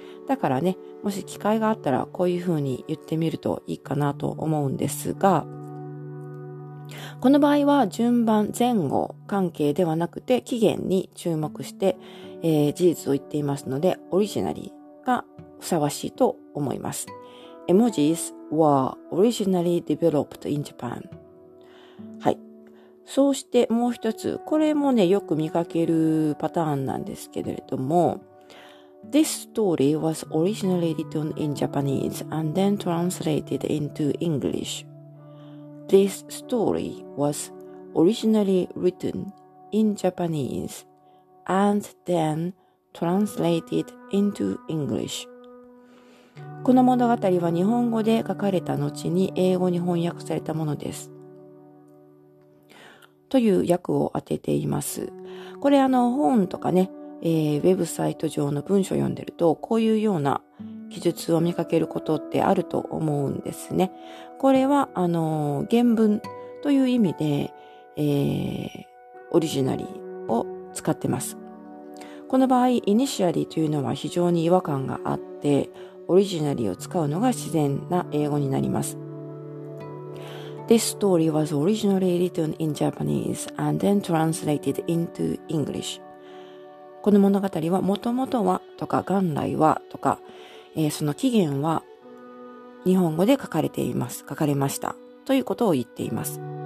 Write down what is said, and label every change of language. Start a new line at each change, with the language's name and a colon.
Japanese: だからね、もし機会があったらこういうふうに言ってみるといいかなと思うんですが、この場合は順番、前後関係ではなくて起源に注目して、事実を言っていますので、オリジナリーがふさわしいと思います。
English: Emojis were originally developed in Japan.
Japanese: はい。そうしてもう一つ、これもね、よく見かけるパターンなんですけれども、
English: This story was originally written in Japanese and then translated into English. This story was originally written in Japanese and then translated into English.
Japanese: この物語は日本語で書かれた後に英語に翻訳されたものです。という訳を当てています。これ本とかね、ウェブサイト上の文章を読んでると、こういうような記述を見かけることってあると思うんですね。これは原文という意味で、オリジナリーを使ってます。この場合、イニシアリーというのは非常に違和感があって、オリジナリーを使うのが自然な英語になります。
English: This story was originally written in Japanese and then translated into English.
Japanese: この物語はもともとはとか元来はとか、その起源は日本語で書かれています。書かれましたということを言っています。